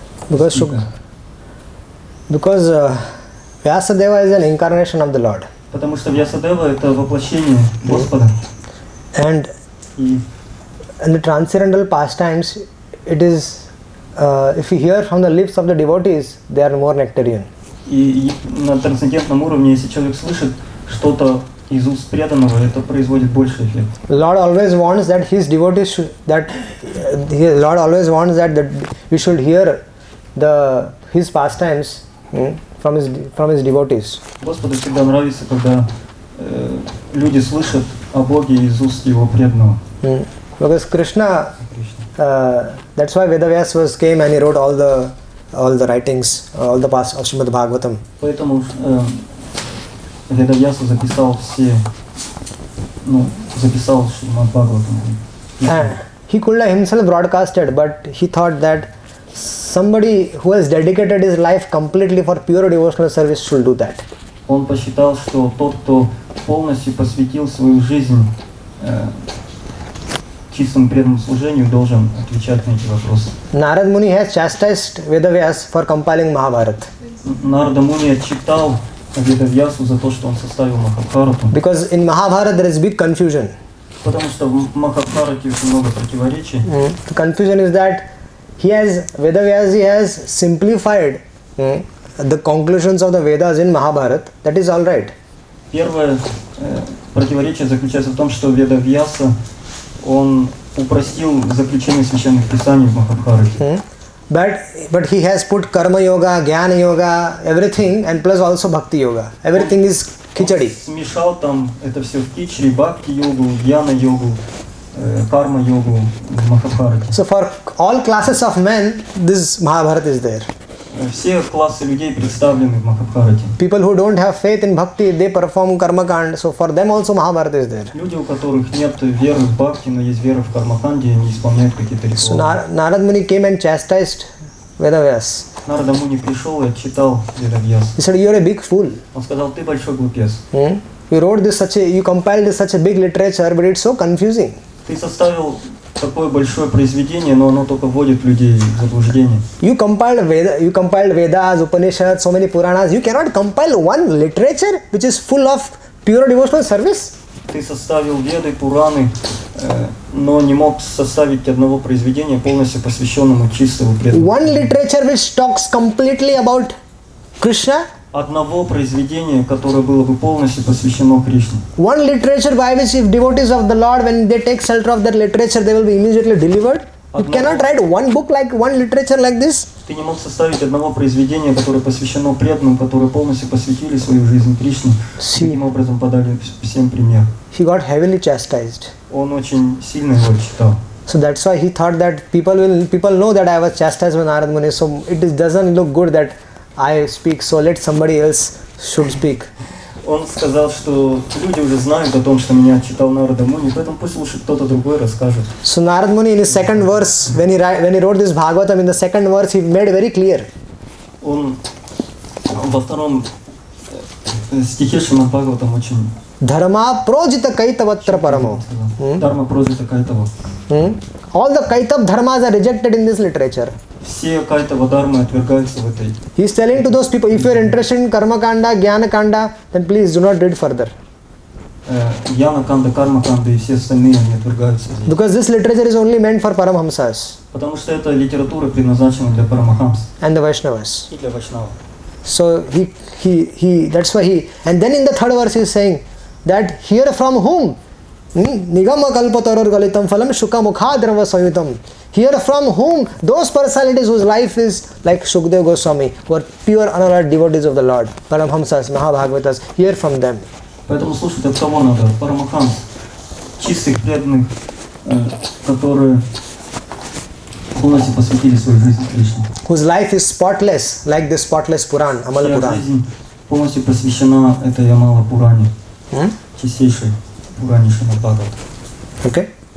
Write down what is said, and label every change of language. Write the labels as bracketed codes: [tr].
[en] Because Vyasadeva is an incarnation of the Lord. [ru] Потому что Vyasadeva это воплощение Господа. [en] And in the transcendental pastimes, it is if you hear from the lips of the devotees, they are more nectarian. [ru] И на трансцендентном уровне, если человек слышит что-то из уст преданного, это производит больше эффект. [en] Lord always wants that his devotees should, that Lord always wants that we should hear the his pastimes from his devotees. [ru] Господу всегда нравится, когда люди слышат о Боге из уст его преданного. [en] Because Krishna. That's why Vedavyas was came and he wrote all the writings, all the past of Srimad Bhagavatam. [ru] Поэтому Vedavyas записал все, ну записал Srimad Bhagavatam. [en] He could have himself broadcasted, but he thought that somebody who has dedicated his life completely for pure devotional service should do that. [ru] Он посчитал, что тот, кто полностью посвятил свою жизнь чистому преданному служению, должен отвечать на эти вопросы. [en] Narad Muni has chastised Vedavyas for compiling Mahabharata. [ru] Narada Muni отчитал Vedavyasu за то, что он составил Махабхарату. [en] Because in Mahabharata there is big confusion. [ru] Потому что в Махабхарате очень много противоречий. [en] The confusion is that Vedavyas has simplified the conclusions of the Vedas in Mahabharata. That is all right. [ru] Первое противоречие заключается в том, что Vedavyasa он упростил заключение священных писаний в Махабхарате. [en] But he has put karma yoga, jnana yoga, everything, and plus also bhakti yoga. Everything is khichdi. [ru] Смешал там это все в кичри, бхакти йогу, jnana йогу, карма йогу в Махабхарате. [en] So for all classes of men, this Mahabharata is there. [ru] Все классы людей представлены в Махабхарате. [en] People who don't have faith in bhakti, they perform karma kanda. So for them also Mahabharata is there. [ru] Люди, у которых нет веры в бхакти, но есть вера в кармаканде, они исполняют какие-то ритуалы. [en] So Narad Muni came and chastised Vedavyas. [ru] Narada Muni пришел и отчитал Vedavyas. [en] He said, "You're a big fool." [ru] Он сказал, ты большой глупец. [en] You wrote this such a, you compiled this such a big literature, but it's so confusing. [ru] Ты составил такое большое произведение, но оно только вводит людей в заблуждение. [en] You compiled Vedas, Upanishads, so many Puranas. You cannot compile one literature which is full of pure devotional service. [ru] Ты составил Веды, Пураны, но не мог составить одного произведения полностью посвященному чистому преданному. [en] One literature which talks completely about Krishna. [ru] Одного произведения, которое было бы полностью посвящено Кришне. [en] One literature by which if devotees of the Lord, when they take shelter of that literature, they will be immediately delivered. You cannot write one book like one literature like this. [ru] Ты не мог составить одного произведения, которое посвящено преданным, которые полностью посвятили свою жизнь Кришне. Таким образом подали всем пример. [en] He got heavily chastised. [ru] Он очень сильно его читал. [en] So that's why he thought that people know that I was chastised by Narad Muni. So it doesn't look good that I speak, so let somebody else should speak. [ru] Он сказал, что люди уже знают о том, что меня читал Нарада Муни, поэтому пусть лучше кто-то другой расскажет. [en] So Narad Muni in his second verse, when he wrote this Bhagavatam, in the second verse, he made very clear. [ru] Он во втором стихе Шримад Бхагаватам очень... [sa] Dharma prajita kaitavatra paramo. Dharma prajita kaitava. [en] All the kaitav dharmas are rejected in this literature. He is telling to those people, if you are interested in karma kanda, jnana kanda, then please do not read further. Jnana kanda, karma kanda, and all the rest are rejected. Because this literature is only meant for paramahamsas. Because this literature is predestined for paramahamsas. And the Vaishnavas. And the Vaishnavas. So he that's why he, and then in the third verse he is saying that here from whom? [sa] Nigama kalpataror galitam phalam shuka mukhadrava samyutam. [en] Here from whom? Those personalities whose life is like Sukadeva Goswami, who are pure unalloyed devotees of the Lord, Paramhamsas, Mahabhagavatas, hear from them. [ru] Поэтому слушайте, от кого надо? Парамахамс, чистых, преданных, которые полностью посвятили свою жизнь Кришне. [en] Whose life is spotless, like the spotless Puran, Amala Puran. [ru] Вся жизнь полностью посвящена этой Амала Пуране, чистейшей Пуране Шримад Бхагаватам. [en] Okay.